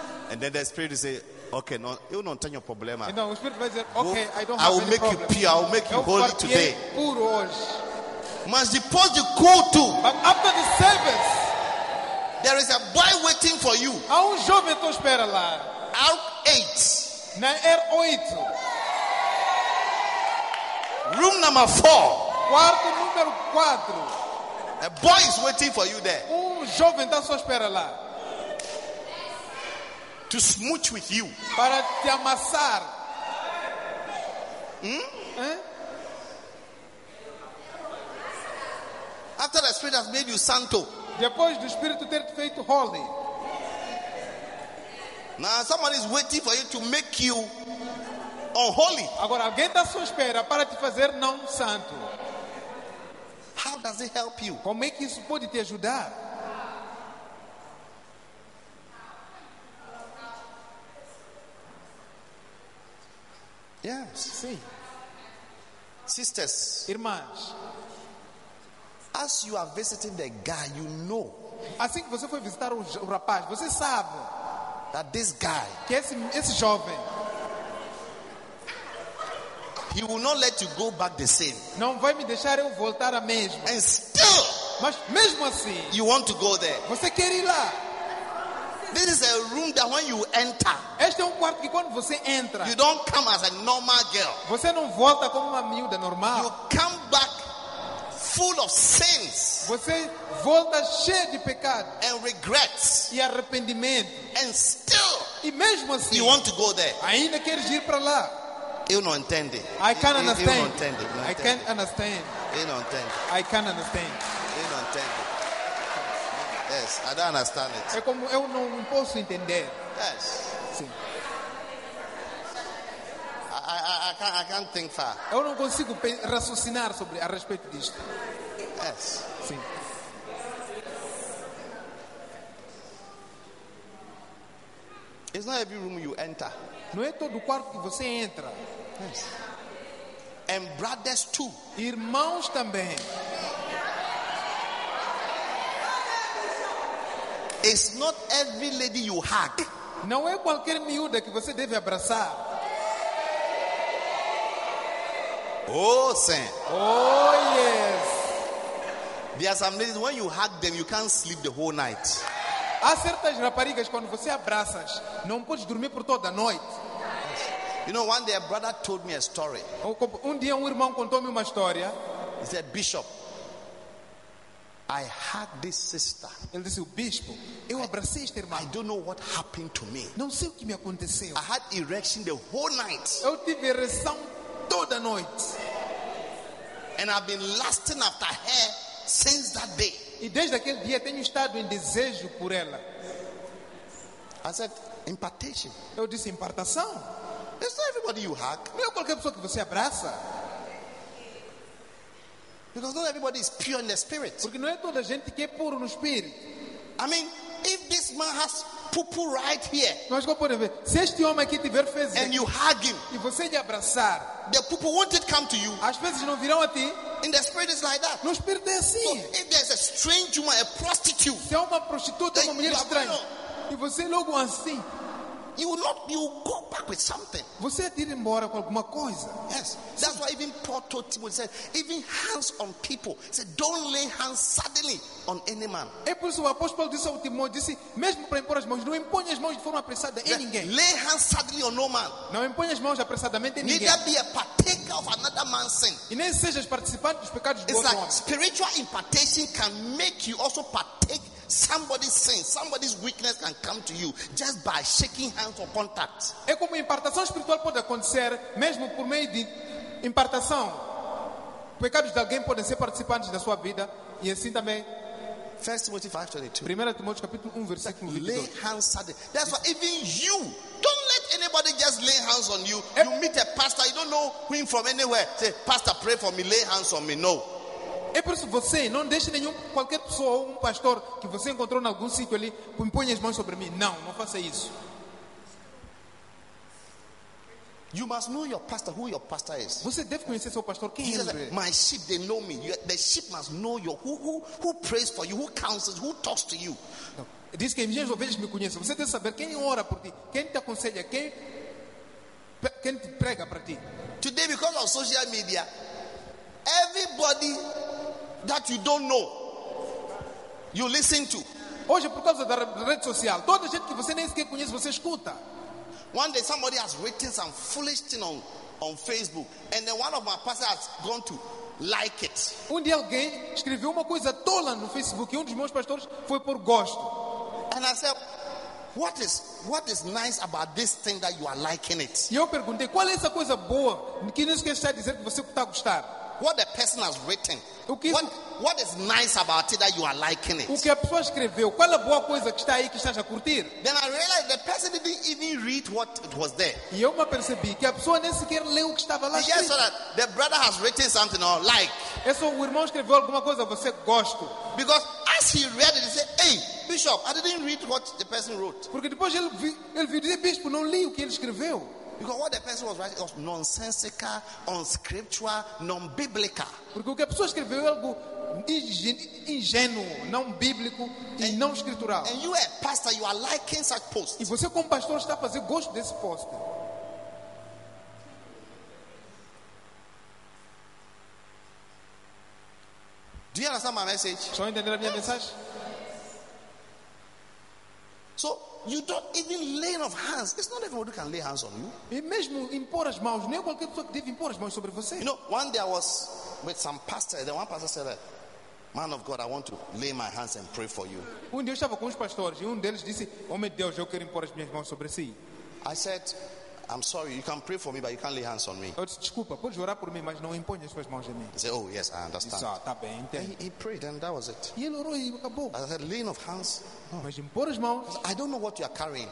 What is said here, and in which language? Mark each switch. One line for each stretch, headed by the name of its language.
English: And then the Spirit will say, okay, no,
Portuguese: eu não tenho problema. Não, o Espírito vai dizer, okay,
English: I don't have I will any make problem. You pure, I will make you holy today.
Portuguese: Puro hoje. Mas depois de culto.
English: But after the service. There is a boy waiting for you.
Portuguese: Há jovem que espera lá.
English: Out 8.
Portuguese: Na R8.
English: Room number 4.
Portuguese: Quarto número 4.
English: A boy is waiting for you there.
Portuguese: Um jovem está à sua espera lá.
English: To smooch with you.
Portuguese: Para te amassar.
English: After the Spirit has made you
Portuguese: santo. Depois do Espírito ter te feito
English: holy. Now somebody is waiting for you to make you unholy.
Portuguese: Agora alguém está à sua espera para te fazer não santo.
English: How does it help you?
Portuguese: Como é que isso pode te ajudar?
English: Yes.
Portuguese: Sim.
English: Sisters.
Portuguese: Irmãs.
English: As you are visiting the guy, you know.
Portuguese: Assim que você foi visitar o rapaz, você sabe.
English: That this guy.
Portuguese: Que esse jovem.
English: He will not let you go back the same.
Portuguese: Não vai me deixar eu voltar a mesma.
English: And still.
Portuguese: Mas mesmo assim.
English: You want to go there.
Portuguese: Você quer ir lá.
English: This is a room that when you enter.
Portuguese: Este é quarto que quando você entra.
English: You don't come as a normal girl.
Portuguese: Você não volta como uma miúda normal.
English: You come back full of sins.
Portuguese: Você volta cheio de pecado.
English: And regrets.
Portuguese: E arrependimento.
English: And still.
Portuguese: E mesmo assim.
English: You want to go there.
Portuguese: Ainda queres ir para lá. Eu não entendi.
English: I can't understand.
Portuguese: Eu não entendi.
English: I can't understand.
Portuguese: Eu não entendi.
English: I can't understand.
Portuguese: Eu não entendi.
English: Yes, I don't understand it.
Portuguese: É como eu não posso entender.
English: Yes.
Portuguese: Sim.
English: I can't think far.
Portuguese: Eu não consigo raciocinar sobre a respeito disto.
English: Yes.
Portuguese: Sim.
English: It's not every room you enter.
Portuguese: Não é todo quarto que você entra.
English: Yes. And brothers too.
Portuguese: Irmãos também.
English: It's not every lady you hug.
Portuguese: Não é qualquer miúda que você deve abraçar. Oh, sim.
English: Oh, yes. There are some ladies, when you hug them, you can't sleep the whole night.
Portuguese: Há certas raparigas, quando você abraças, não podes dormir por toda a noite.
English: Yes. You know, one day a brother told me a story.
Portuguese: Dia irmão contou-me uma história.
English: He said, Bishop, I hugged this sister.
Portuguese: Ele disse, o bispo, eu abracei esta irmã.
English: I don't know what happened to me.
Portuguese: Não sei o que me aconteceu.
English: I had erection the whole night.
Portuguese: Eu tive ereção toda noite.
English: And I've been lusting after her since that day.
Portuguese: E desde aquele dia tenho estado em desejo por ela.
English: I said, impartation.
Portuguese: Eu disse, impartação.
English: It's not everybody you hug.
Portuguese: Não é qualquer pessoa que você abraça.
English: Because not everybody is pure in the spirit.
Portuguese: Porque não é toda gente que é puro no espírito.
English: I mean, if this man has poo-poo right here.
Portuguese: Mas como pode ver, se este homem aqui tiver fezes.
English: And you hug him.
Portuguese: E você lhe abraçar.
English: The poo-poo, won't it come to you?
Portuguese: As fezes não virão a ti.
English: In the spirit is like that.
Portuguese: No espírito é assim.
English: So if there's a strange woman, a prostitute.
Portuguese: Se é uma prostituta, uma mulher estranha. E você logo assim.
English: You will go back with something.
Portuguese: Você ir embora com alguma coisa.
English: Yes. That's why even Paul told Timothy, said, even hands on people, he said, don't lay hands suddenly on any man.
Portuguese: É por isso o apóstolo disse ao Timóteo, disse, mesmo para impor as mãos, não imponha as mãos de forma apressada em ninguém.
English: Lay hands suddenly on no man.
Portuguese: Não imponha as mãos apressadamente em ninguém.
English: Neither be a partaker of another man's sin.
Portuguese: E nem sejas participante dos pecados do outro homem.
English: It's like spiritual impartation can make you also partake. Somebody's sin, somebody's weakness can come to you just by shaking hands or contact.
Portuguese: É como impartação espiritual pode acontecer mesmo por meio de impartação. Pecados de alguém podem ser participantes da sua vida e assim também.
English: 1 Timothy 5:22.
Portuguese: 1 Timóteo capítulo 1 versículo 22.
English: Lay hands suddenly. That's why even you don't let anybody just lay hands on you. You meet a pastor, you don't know him from anywhere. Say, pastor, pray for me. Lay hands on me. No.
Portuguese: É por isso que você não deixe nenhum, qualquer pessoa ou um pastor que você encontrou em algum sítio ali, imponha as mãos sobre mim. Não, não faça isso.
English: You must know your pastor, who your pastor is.
Portuguese: Você deve conhecer seu pastor, quem ele é.
English: My sheep, they know me. The sheep must know you. Who prays for you? Who counsels? Who talks to you?
Portuguese: Diz que minhas ovelhas me conhecem. Você tem que saber quem ora por ti, quem te aconselha, quem te prega para ti.
English: Today, because of social media, everybody that you don't know, you listen to.
Portuguese: Hoje, por causa da rede social, toda gente que você nem sequer conhece, você escuta.
English: One day somebody has written some foolish thing on Facebook, and then one of my pastors has gone to like it.
Portuguese: Um dia alguém escreveu uma coisa tola no Facebook e um dos meus pastores foi por gosto.
English: And I said, what is nice about this thing that you are liking it?
Portuguese: E eu perguntei qual é essa coisa boa, que nisso que está a dizer que você está a gostar.
English: What the person has written. Okay. What is nice about it that you are liking it?
Portuguese: O que a pessoa escreveu? Qual é a boa coisa que está aí que estás a curtir?
English: Then I realized the person didn't even read what it was there.
Portuguese: E eu me percebi que a pessoa nem sequer leu o que estava lá escrito.
English: Yes, so that the brother has written something or like.
Portuguese: É só o irmão escreveu alguma coisa você gosta.
English: Because as he read it, he said, "Hey, Bishop, I didn't read what the person wrote."
Portuguese: Porque depois ele viu dizer, Bispo, não li o que ele escreveu.
English: Because what the person was writing was nonsensical, unscriptural, non-biblical.
Portuguese: Porque o que a pessoa escreveu é algo ingênuo, não bíblico e não escritural.
English: And you, a pastor, you are liking such posts.
Portuguese: E você como pastor está a fazer gosto desse post.
English: Do you understand my message?
Portuguese: Estão a entender a minha mensagem?
English: So you don't even lay of hands. It's not everybody can lay hands on you.
Portuguese: E mesmo impor as mãos, nem qualquer pessoa deve impor as mãos sobre você.
English: You know, one day I was with some pastor. Then one pastor said, "Man of God, I want to lay my hands and pray for you."
Portuguese: Um dia eu estava com os pastores e um deles disse, "Homem de Deus, eu quero impor as minhas mãos sobre si."
English: I said, "I'm sorry, you can pray for me, but you can't lay hands on me."
Portuguese: Eu disse, "Desculpa, pode orar por mim, mas não impõe as suas mãos em mim."
English: He said, "Oh yes, I understand."
Portuguese: Isso, tá bem, entendo.
English: He prayed, and that was it.
Portuguese: E ele orou e acabou.
English: I said, "Laying of hands."
Portuguese: Oh. Mas impor as mãos.
English: I don't know what you are carrying.